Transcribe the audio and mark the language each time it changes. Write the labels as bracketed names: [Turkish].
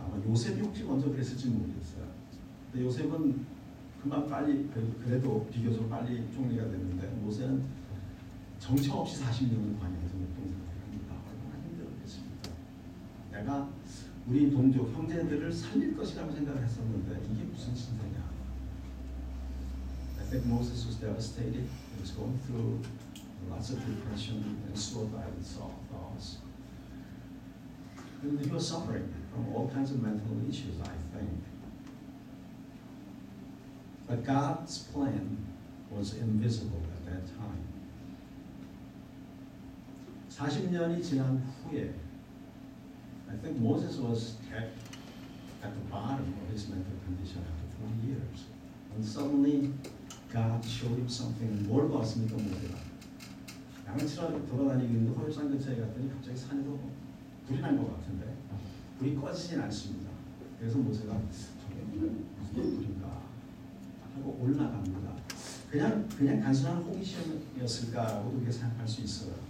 [Korean] 아마 요셉 혹시 먼저 그랬을지 모르겠어요. 근데 요셉은 금방 빨리, 그래도 비교적 빨리 총리가 됐는데, 모세는 정처 없이 40년을 광야에서 목동생활을 합니다. 얼마나 힘들었겠습니까? 내가 우리 동족 형제들을 살릴 것이라고 생각을 했었는데 이게 무슨 신세냐. [English] I think Moses was devastated. He was going through lots of depression and suicidal thoughts. And he was suffering from all kinds of mental issues, I think. But God's plan was invisible at that time. [Korean] 40년이 지난 후에 [English] I think Moses was at the bottom of his mental condition after 40 years. And suddenly, God showed him something. [Korean] 뭘 봤습니까, 모세가? 양을 치러 돌아다니고 있는 호렙산 근처에 갔더니 갑자기 산에서 불이 난 것 같은데 불이 꺼지진 않습니다. 그래서 모세가 저게 무슨 불인가 하고 올라갑니다. 그냥 단순한 호기심이었을까라고도 이렇게 생각할 수 있어요.